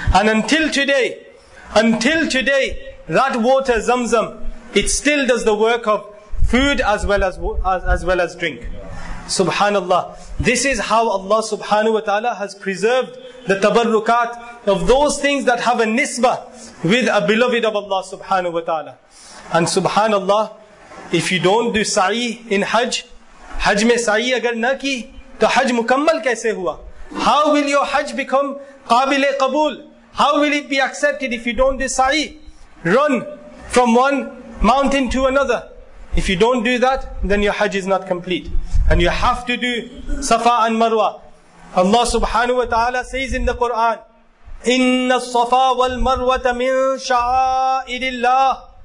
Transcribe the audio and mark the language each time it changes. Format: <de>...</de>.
<en>And until today, that water, Zamzam, it still does the work of food as well as drink. Subhanallah. This is how Allah subhanahu wa ta'ala has preserved the tabarrukat of those things that have a nisbah with a beloved of Allah subhanahu wa ta'ala. And subhanallah, if you don't do sa'i in hajj,</en> <ur>حج میں سعی اگر نہ کی، تو حج مکمل کیسے ہوا؟</ur> <en>How will your hajj become qabil-e qabool? How will it be accepted if you don't do sa'i? Run from one mountain to another. If you don't do that, then your hajj is not complete. And you have to do safa and marwa. Allah subhanahu wa ta'ala says in the Quran,</en> <ar>إِنَّ الصَّفَا وَالْمَرْوَةَ مِنْ شَعَائِرِ اللَّهِ.</ar>